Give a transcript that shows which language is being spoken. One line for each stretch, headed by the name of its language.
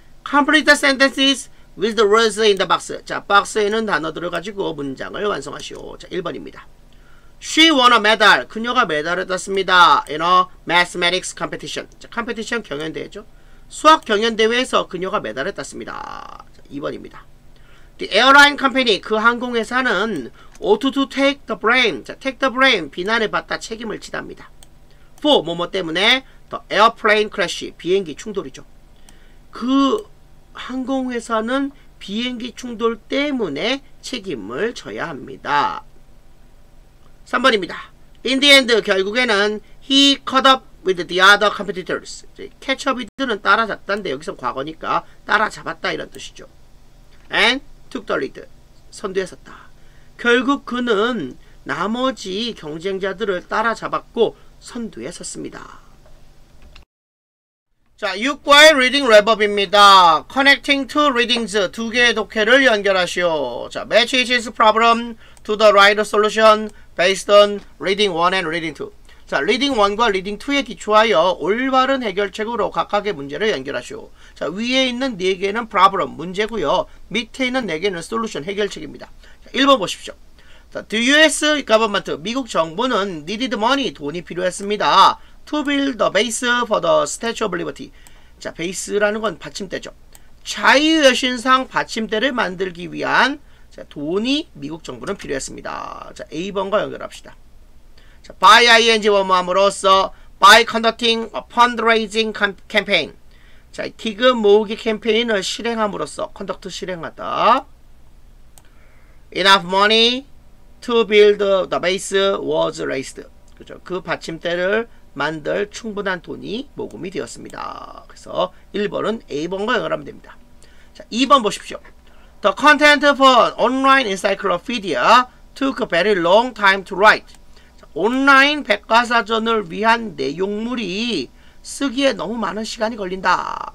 English: Complete the sentences with the words in the box.
Korean: 자, 박스에 있는 단어들을 가지고 문장을 완성하시오. 자, 1번입니다.
English: She won a medal.
Korean: 그녀가 메달을 땄습니다.
English: In a mathematics competition.
Korean: 자, competition 경연대회죠. 수학 경연대회에서 그녀가 메달을 땄습니다. 자, 2번입니다.
English: The airline company.
Korean: 그 항공회사는
English: ought to take the blame. 자, take the blame.
Korean: 비난을 받다, 책임을 지답니다. For 뭐뭐 때문에
English: the airplane crash.
Korean: 비행기 충돌이죠. 그 항공회사는 비행기 충돌 때문에 책임을 져야 합니다. 3번입니다.
English: In the end,
Korean: 결국에는
English: he caught up with the other competitors.
Korean: catch up with는 따라잡다인데 여기서 과거니까 따라잡았다 이런 뜻이죠.
English: And took the lead.
Korean: 선두에 섰다. 결국 그는 나머지 경쟁자들을 따라잡았고 선두에 섰습니다.
English: 자, 6과의 reading reverb입니다. Connecting two readings.
Korean: 두 개의 독해를 연결하시오.
English: 자, match each is problem to the right solution based on reading 1 and reading 2.
Korean: 자, reading 1과 reading 2에 기초하여 올바른 해결책으로 각각의 문제를 연결하시오. 자, 위에 있는 네 개는 problem, 문제고요. 밑에 있는 네 개는 solution, 해결책입니다. 자, 1번 보십시오. The US government, 미국 정부는
English: needed money,
Korean: 돈이 필요했습니다.
English: To build the base for the Statue of Liberty.
Korean: 자, 베이스라는 건 받침대죠. 자유의 신상 받침대를 만들기 위한 자, 돈이 미국 정부는 필요했습니다. 자, A번과 연결합시다.
English: 자, buy ING 원모함으로써 by conducting a fundraising campaign.
Korean: 자, 기금 모으기 캠페인을 실행함으로써 conduct 실행하다.
English: Enough money to build the base was raised.
Korean: 그죠? 그 받침대를 만들 충분한 돈이 모금이 되었습니다. 그래서 1번은 A번과 연결하면 됩니다.
English: 자, 2번 보십시오. The content for online encyclopedia took a very long time to write.
Korean: 자, 온라인 백과사전을 위한 내용물이 쓰기에 너무 많은 시간이 걸린다.